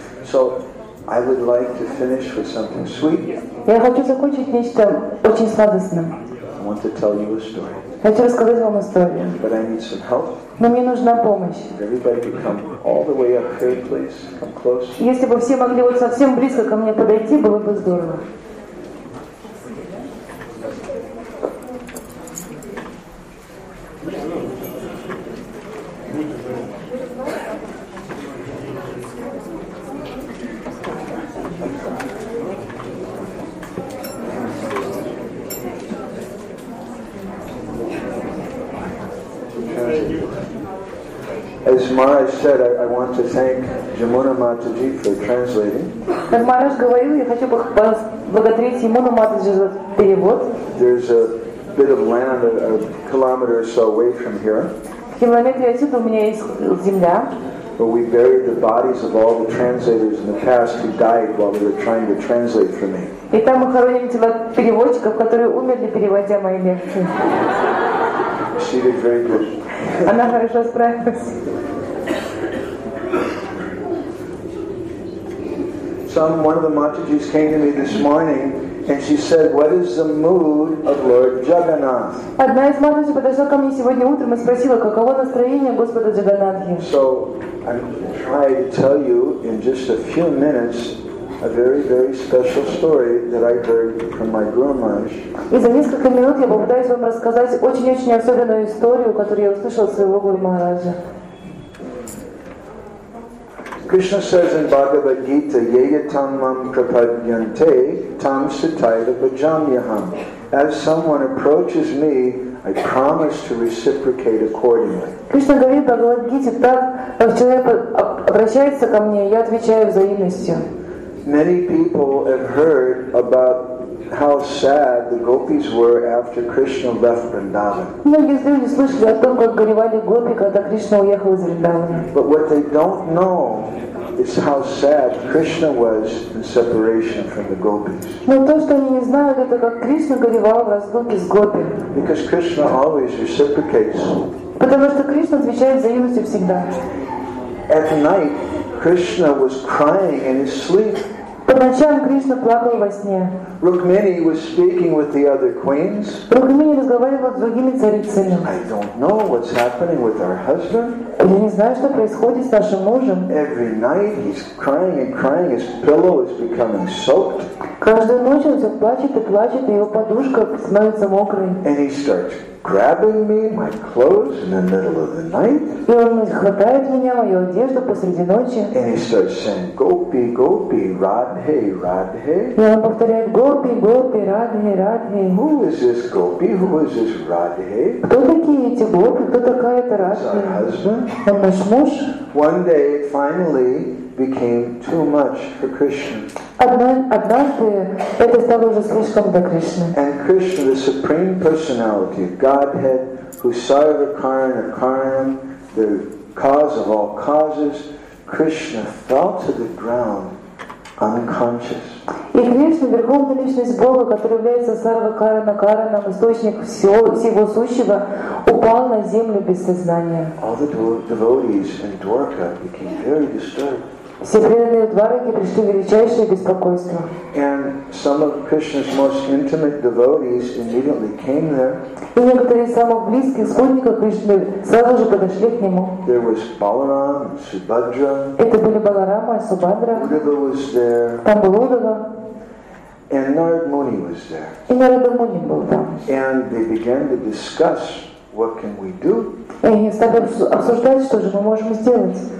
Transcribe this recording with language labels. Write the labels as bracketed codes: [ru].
[en] So, I would like to finish with something sweet. [ru] Я хочу закончить нечто очень сладостным. [en] I want to tell you a story. [ru] Хочу рассказать вам историю. [en] But I need some help. [ru] Но мне нужна помощь. [en] Everybody come all the way up here, please. Come close. [ru] Если бы все могли вот совсем близко ко мне подойти, было бы здорово. [en] I want to thank Jamuna Mataji for translating. [ru] Как Мараш говорил, я хочу поблагодарить Ямуну Матаджи за перевод. [en] There's a bit of land a kilometer or so away from here. [ru] Километры отсюда у меня есть земля. [en] But we buried the bodies of all the translators in the past who died while they were trying to translate for me. [ru] И там мы хороним тела переводчиков, которые умерли, переводя мои лекции. [en] She did very good. [ru] Она хорошо справилась. [en] One of the Matajis came to me this morning and she said, what is the mood of Lord Jagannath? [ru] Одна из Матаджи подошла ко мне сегодня утром и спросила, каково настроение Господа Джаганнатхи. [en] So I'm trying to tell you in just a few minutes a very, very special story that I heard from my Guru Maharaj. [ru] И за несколько минут я попытаюсь вам рассказать очень-очень особенную историю, которую я услышал от своего Гуру Махараджа. [en] Krishna says in Bhagavad Gita, [sa] Yeyatam mam prapadyante tam sitaiva bhajamyaham. [en] As someone approaches me, I promise to reciprocate accordingly. [ru] Krishna говорит в Bhagavad Gita, так как человек обращается ко мне, я отвечаю взаимностью. [en] Many people have heard about how sad the gopis were after Krishna left Vrindavan. [ru] Многие люди слышали о том, как горевали гопи, когда Кришна уехал из Вриндавана. [en] But what they don't know is how sad Krishna was in separation from the gopis. [ru] Но то, что они не знают, это как Кришна горевал в разлуке с гопи. [en] Because Krishna always reciprocates. [ru] Потому что Кришна отвечает взаимностью всегда. [en] At night, Krishna was crying in his sleep. [ru] По ночам Кришна плакал во сне. [en] Rukmini was speaking with the other queens. [ru] Rukmini разговаривала с другими царицами. [en] I don't know what's happening with our husband. [ru] Я не знаю, что происходит с нашим мужем. [en] Every night he's crying and crying. His pillow is becoming soaked. [ru] Каждую ночь он все плачет и плачет, и его подушка становится мокрой. [en] And he starts grabbing me, my clothes, in the middle of the night. [ru] И он хватает меня, мою одежду посреди ночи. [en] And he starts saying, Gopi, Gopi, Radhe, Radhe. [ru] И он повторяет, Gopi, Gopi, Radhe, Radhe. [en] Who is this Gopi? Who is this Radhe? [ru] Кто такие эти Гопи? Кто такая эта Радхе? Он наш муж. [en] One day, finally, became too much for Krishna. [ru] Однажды это стало уже слишком для Кришны. [en] And Krishna, the Supreme Personality of Godhead, who Sarva Karana Karanam, the cause of all causes, Krishna fell to the ground unconscious. [ru] И Кришна, Верховная Личность Бога, который является Сарва Карана Каранам, источник всего сущего, упал на землю без сознания. [en] All the devotees in Dwarka became very disturbed. [ru] Все преданные двораки пришли в величайшее беспокойство. [en] And some of Krishna's most intimate devotees immediately came there. [ru] И некоторые из самых близких спутников Кришны сразу же подошли к нему. [en] There was Balaram and Subhadra. [ru] Это были Баларама и Субхадра. [en] Udhava was there. [ru] Там был Удава. [en] And Narad Muni was there. [ru] И Нарада Муни был там. [en] And they began to discuss, what can we do? [ru] И они стали обсуждать, что же мы можем сделать.